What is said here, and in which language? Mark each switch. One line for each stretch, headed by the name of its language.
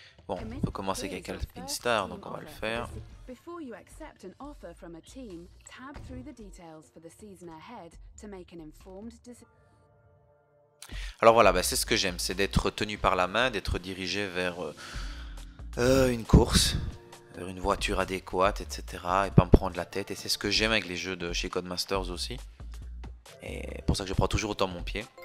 French: Bon, on peut commencer avec Alpine Star, donc on va le faire.
English: Before you accept an offer from a team, tab through the details for the season ahead to make an informed decision.
French: Alors voilà, bah c'est ce que j'aime, c'est d'être tenu par la main, d'être dirigé vers une course, vers une voiture adéquate, etc. Et pas me prendre la tête. Et c'est ce que j'aime avec les jeux de chez Codemasters aussi. Et pour ça que je prends toujours autant mon pied.